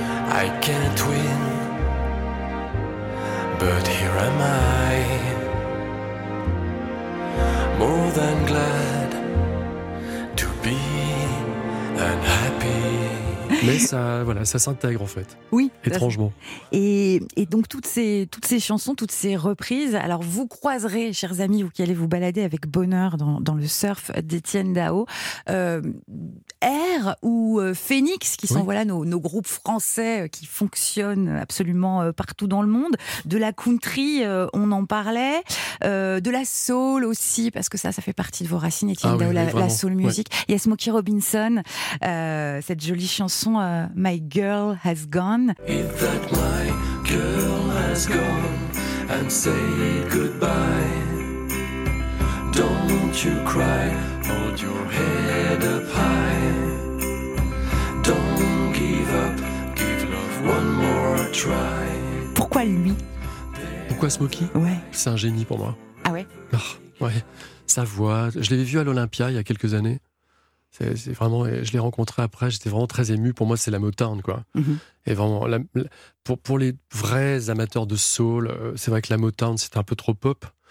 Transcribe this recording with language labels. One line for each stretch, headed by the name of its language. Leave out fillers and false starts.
English: I can't win, but here am I, more than glad to be unhappy.
French: Mais ça, voilà, ça s'intègre en fait. Oui. Étrangement. Et donc toutes ces chansons, toutes ces reprises, alors vous croiserez, chers amis, vous qui allez vous balader avec bonheur dans le surf d'Étienne Dao, R ou Phoenix, qui sont voilà, nos groupes français qui fonctionnent absolument partout dans le monde. De la country, on en parlait. De la soul aussi, parce que ça fait partie de vos racines, Étienne Dao, la soul music. Il y a Smokey Robinson, cette jolie chanson. Son My Girl Has Gone.
English: Is that my girl has gone and say goodbye? Don't you cry, hold your head up high. Don't give up, give love one more try.
French: Pourquoi lui? Pourquoi Smokey? Ouais. C'est un génie pour moi. Ah ouais? Oh, ouais, sa voix, je l'avais vu à l'Olympia il y a quelques années. C'est vraiment, je l'ai rencontré après, j'étais vraiment très ému. Pour moi, c'est la Motown, quoi. Mm-hmm. Et vraiment, pour les vrais amateurs de soul, c'est vrai que la Motown, c'est un peu trop pop.